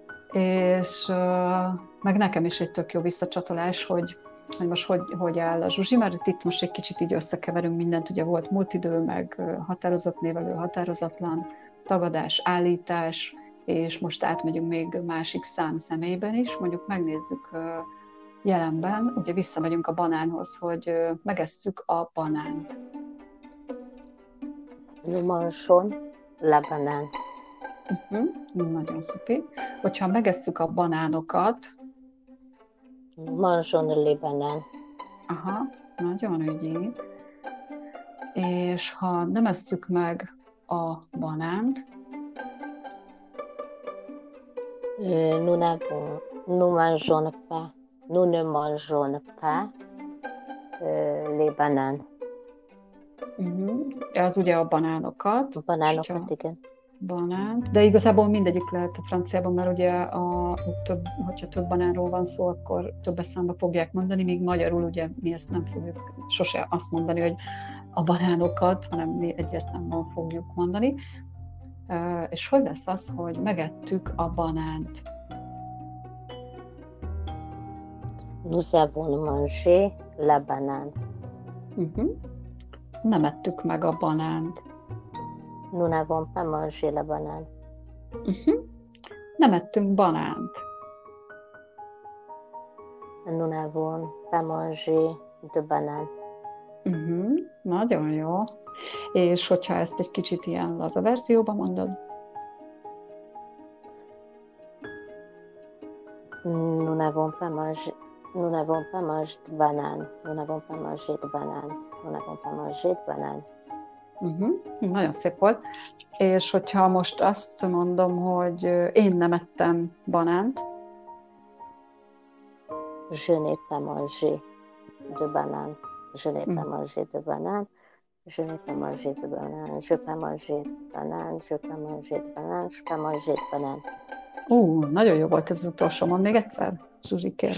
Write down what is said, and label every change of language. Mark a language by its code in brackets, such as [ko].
[hu] És meg nekem is egy tök jó visszacsatolás, hogy most hogy áll a Zsuzsi, mert itt most egy kicsit így összekeverünk mindent, ugye volt múltidő, meg határozott névelő, határozatlan, tagadás, állítás, és most átmegyünk még másik szám személyben is. Mondjuk megnézzük jelenben, ugye visszamegyünk a banánhoz, hogy megesszük a banánt. [fr] Nous mangeons la banane. [hu] Nagyon szupi. Hogyha megesszük a banánokat. [fr] Mangeons les bananes. [hu] Aha, nagyon ügyi. És ha nem esszük meg a banánt. [fr] Nous ne mangeons pas les bananes. [hu] Az ugye a banánokat, és hogyha Banánokat, igen. banánt, de igazából mindegyik lehet a franciában, mert ugye hogyha több banánról van szó, akkor több eszembe fogják mondani, míg magyarul ugye mi ezt nem fogjuk sose azt mondani, hogy a banánokat, hanem mi egy eszemben fogjuk mondani. És hogy lesz az, hogy megettük a banánt? [fr] Nous avons mangé la banane. [hu] Nem ettük meg a banánt. [fr] Nous n'avons pas mangé la banane. [hu] Nem ettünk banánt. [fr] Nous n'avons pas mangé de banane. [hu] Nagyon jó. És hogyha ezt egy kicsit ilyen laza verzióban mondod? [fr] Nous n'avons pas mangé. Nous n'avons pas mangé de banane. Nous n'avons pas mangé de banane. Nous n'avons pas mangé de banane. [hu] Nagyon szép volt. És hogyha most azt mondom, hogy én nem ettem banánt. [fr] Je n'ai pas mangé de banane. Je n'ai pas mangé de banane. Je n'ai pas mangé de banane. Je n'ai pas mangé de banane. Je n'ai pas mangé de banane. Je n'ai pas mangé de banane. [hu] Nagyon jó volt ez az utolsó, mond még egyszer, Zsuzsi, kérlek.